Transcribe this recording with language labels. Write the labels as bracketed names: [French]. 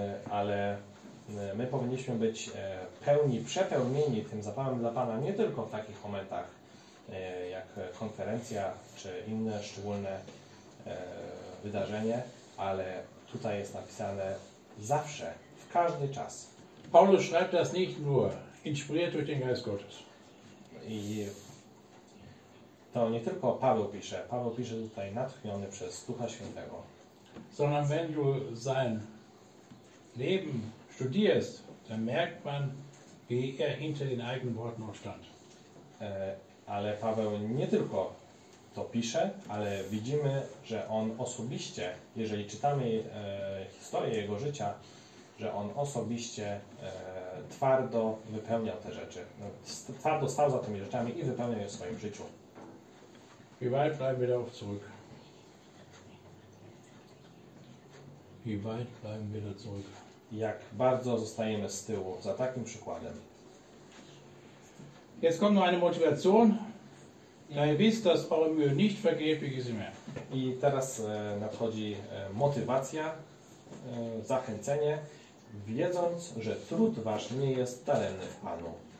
[Polish] Ale my powinniśmy być pełni, przepełnieni tym zapałem dla Pana, nie tylko w takich momentach, jak konferencja czy inne szczególne wydarzenie, ale tutaj jest napisane zawsze, w każdy czas. [German] Paulus schreibt das nicht nur inspiriert durch den Geist Gottes. [Polish] I to nie tylko Paweł pisze tutaj natchniony przez Ducha Świętego. [German] sondern wenn du sein Leben studierst, dann merkt man, wie er hinter den eigenen Worten auch stand. [Polish] Ale Paweł nie tylko to pisze, ale widzimy, że on osobiście, jeżeli czytamy historię jego życia, że on osobiście twardo wypełniał te rzeczy. Twardo stał za tymi rzeczami i wypełniał je w swoim życiu. [German] Wie weit bleiben wir darauf zurück? Wie weit bleiben wir da zurück? [Polish] Jak bardzo zostajemy z tyłu za takim przykładem. [German] Jetzt kommt noch eine Motivation. Da ihr wisst, dass eure Mühe nicht vergeblich ist mehr. [Polish] I teraz nadchodzi motywacja, zachęcenie, wiedząc, że trud wasz nie jest daremny Panu.